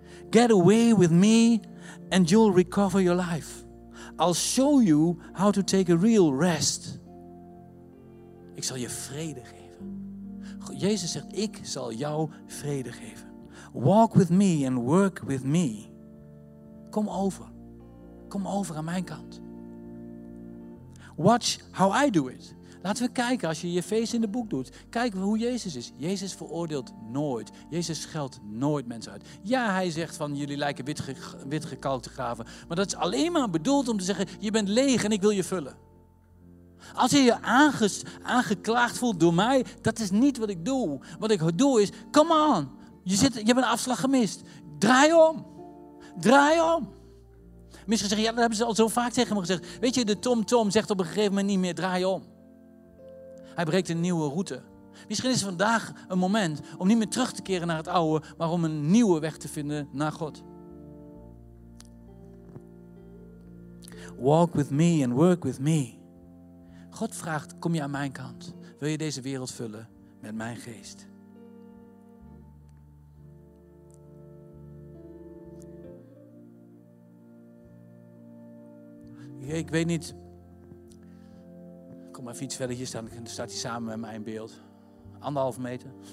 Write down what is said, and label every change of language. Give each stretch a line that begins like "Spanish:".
English: Get away with me and you'll recover your life. I'll show you how to take a real rest.
Dutch: Ik zal je vrede geven. Jezus zegt, ik zal jou vrede geven.
English: Walk with me and work with me.
Dutch: Kom over. Kom over aan mijn kant.
English: Watch how I do it.
Dutch: Laten we kijken, als je je feest in de boek doet, kijken we hoe Jezus is. Jezus veroordeelt nooit. Jezus scheldt nooit mensen uit. Ja, hij zegt van jullie lijken witgekalkte graven. Maar dat is alleen maar bedoeld om te zeggen, je bent leeg en ik wil je vullen. Als je je aangeklaagd voelt door mij, dat is niet wat ik doe. Wat ik doe is,
English: come on,
Dutch: je hebt een afslag gemist. Draai om. Draai om. Misschien zeggen, ja, dat hebben ze al zo vaak tegen me gezegd. Weet je, de tom-tom zegt op een gegeven moment niet meer, draai om. Hij breekt een nieuwe route. Misschien is het vandaag een moment om niet meer terug te keren naar het oude, maar om een nieuwe weg te vinden naar God.
English: Walk with me and work with me.
Dutch: God vraagt, kom je aan mijn kant? Wil je deze wereld vullen met mijn geest? Ik weet niet. Kom maar even iets verder. Hier staat hij samen met mij in beeld. 1,5 meter.